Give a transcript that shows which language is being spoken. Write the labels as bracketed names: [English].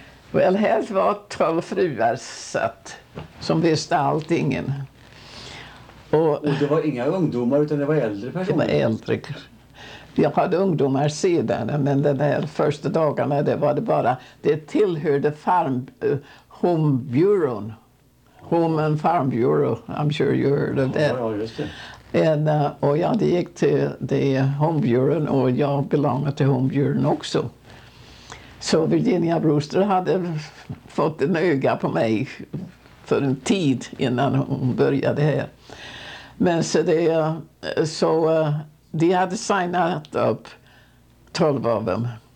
[Swedish] Väl, här var 12 fruar satt som visste allting. Och det var inga ungdomar utan det var äldre personer? Det var äldre. Jag hade ungdomar sedan, men den här första dagarna, det var det bara, det tillhörde farm, home bureau. [English] Home and farm bureau, I'm sure you heard of that. [Swedish] Ja, just det. Och jag gick till det home bureau och jag belongade till home bureau också. Så Virginia Brewster hade fått en öga på mig för en tid innan hon började här. Men så det, så de hade signat upp 12 av dem.